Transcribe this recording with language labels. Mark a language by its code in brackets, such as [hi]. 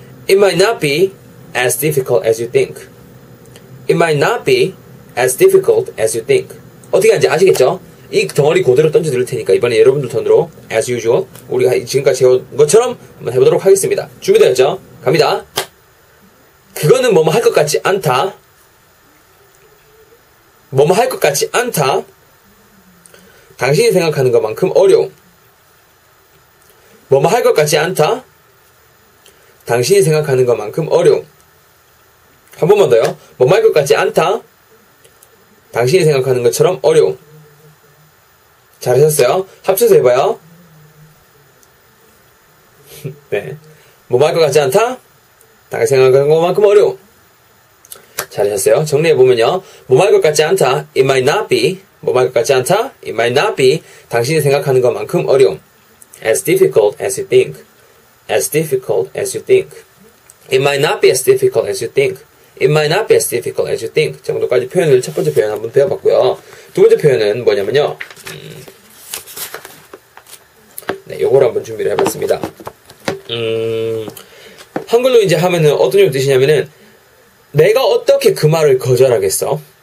[en] It might not be as difficult as you think. It might not be as difficult as you think. [ko] 어떻게 하는지 아시겠죠? 이 덩어리 그대로 던져드릴 테니까 이번에 여러분들 턴으로 [en] as usual [ko] 우리가 지금까지 해온 것처럼 한번 해보도록 하겠습니다. 준비되었죠? 갑니다. 그거는 뭐뭐 할 것 같지 않다. 뭐뭐 할 것 같지 않다. 당신이 생각하는 것만큼 어려운, 뭐뭐 할 것 같지 않다. 당신이 생각하는 것만큼 어려운. 한 번만 더요. 뭐뭐 할 것 같지 않다. 당신이 생각하는 것처럼 어려운. 잘하셨어요. 합쳐서 해봐요. 네. 뭐뭐 할 것 같지 않다. 당신이 생각하는 것만큼 어려운. 잘하셨어요. 정리해보면요. 뭐뭐 할 것 같지 않다. [en] It might not be. [ko] 뭐뭐 할 것 같지 않다. It might not be. 당신이 생각하는 것만큼 어려운. [en] As difficult as you think. As difficult as you think. It might not be as difficult as you think. It might not be as difficult as you think. [ko] 정도까지 표현을 첫 번째 표현 한번 배워봤고요. 두 번째 표현은 뭐냐면요. 네, 요걸 한번 준비를 해봤습니다. 한글로 이제 하면은 어떤 정도 뜻이냐면은 내가 어떻게 그 말을 거절하겠어?